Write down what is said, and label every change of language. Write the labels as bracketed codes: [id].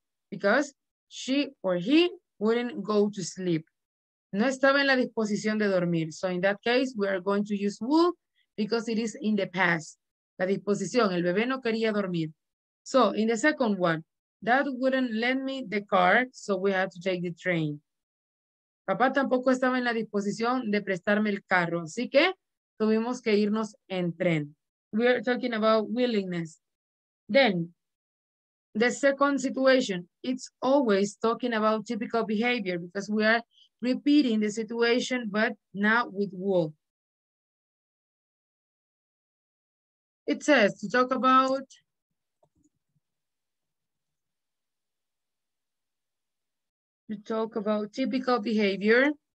[en] Because she or he wouldn't go to sleep. [es] No estaba en la disposición de dormir. [en] So in that case, we are going to use would because it is in the past. [es] La disposición, el bebé no quería dormir. [en] So in the second one, dad wouldn't lend me the car, so we had to take the train. [es] Papá tampoco estaba en la disposición de prestarme el carro, así que tuvimos que irnos en tren. [en] We are talking about willingness. Then, the second situation, it's always talking about typical behavior because we are repeating the situation, but not with wool. It says to talk about typical behavior.